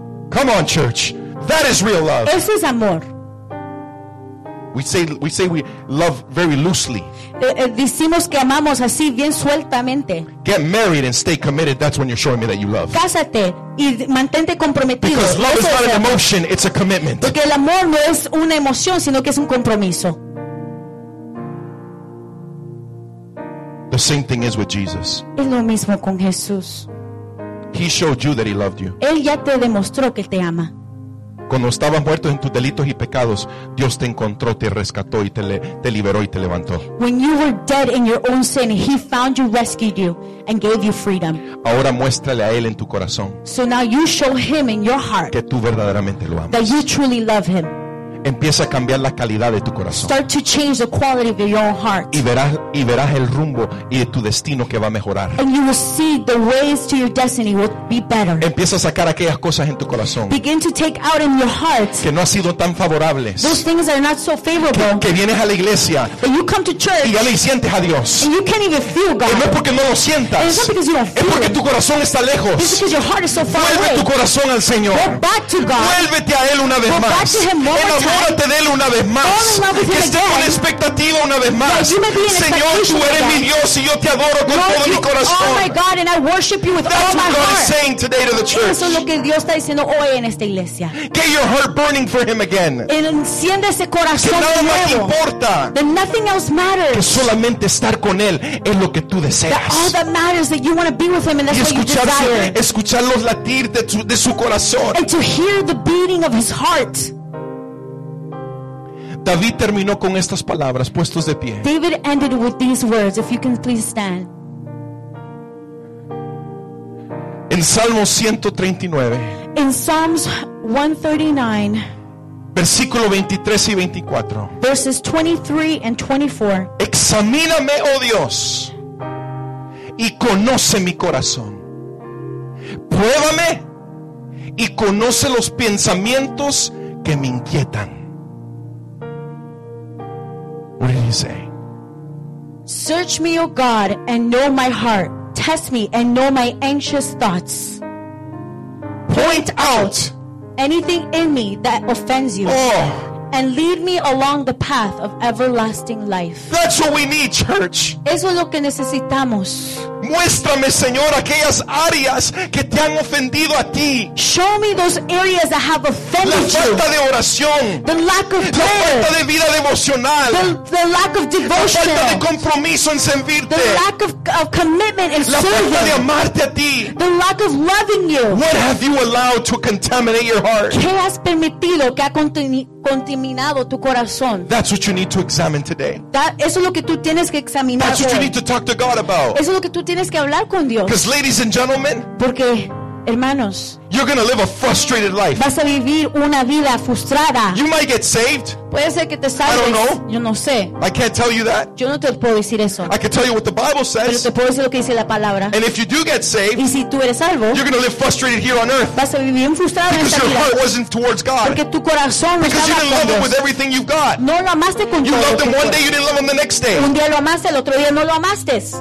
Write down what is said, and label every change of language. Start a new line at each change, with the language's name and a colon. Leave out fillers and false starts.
English: Come on, church. That is real love.
Spanish: Eso es amor.
English: We say we love very loosely.
Spanish: Decimos que amamos así bien sueltamente.
English: Get married and stay committed. That's when you're showing me that you love.
Spanish: Cásate y mantente comprometido.
English: Because love is not an emotion, it's a commitment.
Spanish: Porque el amor no es una emoción, sino que es un compromiso.
English: The same thing is with Jesus.
Spanish: Es lo mismo con Jesús.
English: He showed you that he loved you.
Spanish: Él ya te demostró que te ama. Cuando estabas muerto en tus delitos y pecados, Dios te encontró, te rescató y te liberó y te levantó.
English: When you were dead in your own sin, he found you, rescued you, and gave you freedom.
Spanish: Ahora muéstrale a él en tu corazón.
English: So now you show him in your heart
Spanish: que tú verdaderamente lo amas.
English: That you truly love him.
Spanish: Empieza a cambiar la calidad de tu corazón.
English: Start to change the quality of your heart.
Spanish: Y verás el rumbo y tu destino que va a mejorar.
English: And you will see the ways to your destiny will be better.
Spanish: Empieza a sacar aquellas cosas en tu corazón.
English: Begin to take out in your heart
Spanish: que no ha sido tan favorables.
English: Those things that are not so favorable.
Spanish: Que vienes a la iglesia.
English: But you come to church
Spanish: y ya le sientes a Dios.
English: And you can't even feel God.
Spanish: Y no es porque no lo sientas.
English: It's not because you don't feel.
Spanish: Es porque tu corazón está lejos.
English: It's because your heart is so far away.
Spanish: Vuelve tu corazón al Señor.
English: Go back to God.
Spanish: Vuélvete a él una vez más.
English: Go back to him one more time.
Spanish: Enamórate de él una vez más. Que esté con expectativa una vez más. Señor, tú eres mi Dios y yo te adoro con todo mi corazón.
English: Oh my God, and I worship you with all my heart. That's what God is saying today to the church.
Spanish: Eso es lo que Dios está diciendo hoy en esta iglesia.
English: Get your heart burning for him again.
Spanish: Enciende ese corazón nuevo. Que nada más importa.
English: That nothing else matters.
Spanish: Que solamente estar con él es lo que tú deseas.
English: That all that matters, that you want to be with him, and that's what you desire.
Spanish: Y escuchar los latir de su corazón.
English: And to hear the beating of his heart.
Spanish: David terminó con estas palabras, puestos de pie.
English: David ended with these words, if you can please stand.
Spanish: En Salmo 139.
English: In Psalms 139.
Spanish: Versículo 23 y 24.
English: Verses 23 and 24.
Spanish: Examíname, oh Dios, y conoce mi corazón. Pruébame y conoce los pensamientos que me inquietan.
English: What did he say? Search me, O God, and know my heart. Test me and know my anxious thoughts. Point out anything in me that offends you. Oh. And lead me along the path of everlasting life. That's what we need, church.
Spanish: Eso es lo que necesitamos. Muéstrame, Señor, aquellas áreas que te han ofendido a ti.
English: Show me those areas that have offended you.
Spanish: La falta de oración.
English: The lack of prayer.
Spanish: La falta de vida devocional.
English: The lack of devotion.
Spanish: La falta de compromiso en servirte.
English: The lack of commitment in serving.
Spanish: La falta de amarte a ti.
English: The lack of loving you. What have you allowed to contaminate your heart?
Spanish: ¿Qué has permitido que ha contaminado tu corazón?
English: That's what you need to examine today.
Spanish: Eso es lo que tú tienes que examinar hoy.
English: That's what you need to talk to God about.
Spanish: Eso es lo que tú tienes que hablar con Dios.
English: Because ladies and gentlemen,
Spanish: porque hermanos,
English: you're going to live a frustrated life.
Spanish: Vas a vivir una vida frustrada.
English: You might get saved.
Spanish: Puede ser que te salves.
English: I don't know.
Spanish: Yo no sé.
English: I can't tell you that.
Spanish: Yo no te puedo decir eso.
English: I can tell you what the Bible says.
Spanish: Pero te puedo decir lo que dice la palabra.
English: And if you do get saved,
Spanish: y si tú eres salvo,
English: you're going to live frustrated here on earth.
Spanish: Vas a vivir frustrado en esta vida.
English: Because your heart wasn't towards God.
Spanish: Porque tu corazón no estaba con Dios.
English: Because you didn't love him with everything you've got.
Spanish: No lo amaste con
English: you
Spanish: todo.
English: You loved him one day, you didn't love him the next day.
Spanish: Un día lo amaste, el otro día no lo amaste.